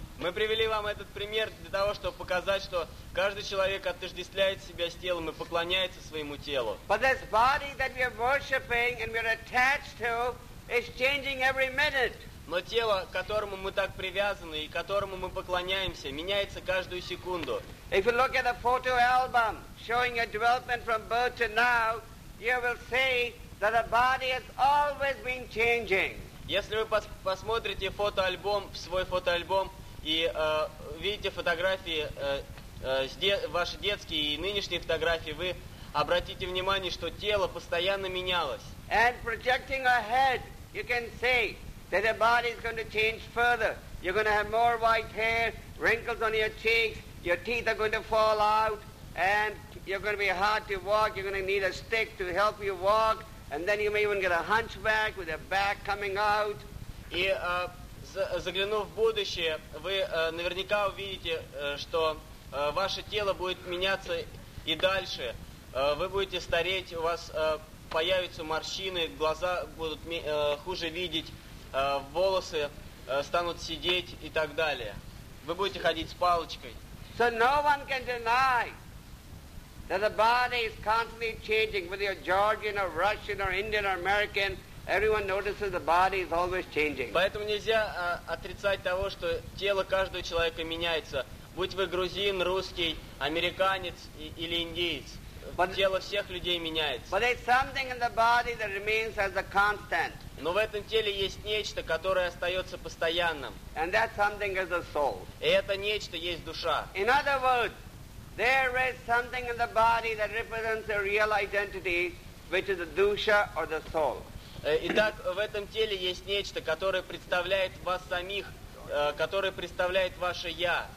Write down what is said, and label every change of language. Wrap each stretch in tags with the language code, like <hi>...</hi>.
<ru>Мы привели вам этот пример для того, чтобы показать, что каждый человек отождествляет себя с телом и поклоняется своему телу.</ru> <en>But this body that we are worshiping and we are attached to is changing every minute.</en> <ru>Но тело, к которому мы так привязаны и которому мы поклоняемся, меняется каждую секунду.</ru> <en>If you look at the photo album showing your development from birth to now, you will see that the body has always been changing.</en> <ru>Если вы посмотрите фотоальбом, свой фотоальбом, и видите фотографии, ваши детские и нынешние фотографии, вы обратите внимание, что тело постоянно менялось.</ru> <en>And projecting ahead, you can see that the body is going to change further. You're going to have more white hair, wrinkles on your cheeks, your teeth are going to fall out, and you're going to be hard to walk, you're going to need a stick to help you walk, and then you may even get a hunchback with your back coming out.</en> <ru>И заглянув в будущее, вы наверняка увидите, что ваше тело будет меняться и дальше. Вы будете стареть, у вас появятся морщины, глаза будут хуже видеть, волосы станут сидеть и так далее. Вы будете ходить с палочкой.</ru> <en>So no one can deny that the body is constantly changing, whether you're Georgian or Russian or Indian or American. Everyone notices the body is always changing.</en> <ru>Поэтому нельзя отрицать того, что тело каждого человека меняется. Будь вы грузин, русский, американец или индиец, тело всех людей меняется.</ru> <en>But there's something in the body that remains as a constant.</en> <ru>Но в этом теле есть нечто, которое остается постоянным.</ru> <en>And that something is the soul.</en> <ru>И это нечто есть душа.</ru> <en>In other words, there is something in the body that represents a real identity, which is the dusha or the soul.</en> <ru>Итак, в этом теле есть нечто, которое представляет вас самих, которое представляет ваше «я».</ru>